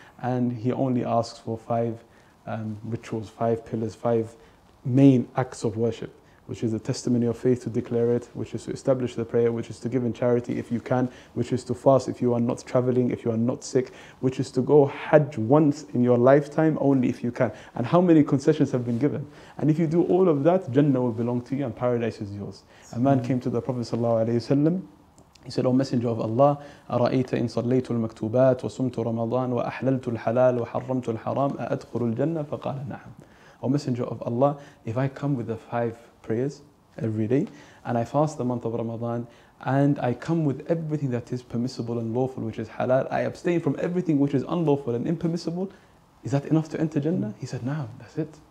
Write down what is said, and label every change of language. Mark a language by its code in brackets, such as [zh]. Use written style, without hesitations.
[en] And He only asks for five rituals, five pillars, five main acts of worship, which is the testimony of faith to declare it, which is to establish the prayer, which is to give in charity if you can, which is to fast if you are not traveling, if you are not sick, which is to go Hajj once in your lifetime only if you can. And how many concessions have been given? And if you do all of that, Jannah will belong to you and paradise is yours. A man came to the Prophet sallallahu alaihi wasallam. He said, O Messenger of Allah, [ar] أَرَأَيْتَ إِن صَلَّيْتُ الْمَكْتُوبَاتِ وَصُمْتُ رَمَضَانِ وَأَحْلَلْتُ الْحَلَالِ وَحَرَّمْتُ الْحَرَامِ أَأَدْخُلُ الْجَنَّةِ فَقَالَ نَعَمْ. [en] O Messenger of Allah, if I come with the five prayers every day, and I fast the month of Ramadan, and I come with everything that is permissible and lawful, which is halal, I abstain from everything which is unlawful and impermissible, is that enough to enter Jannah? He said, Nah, that's it.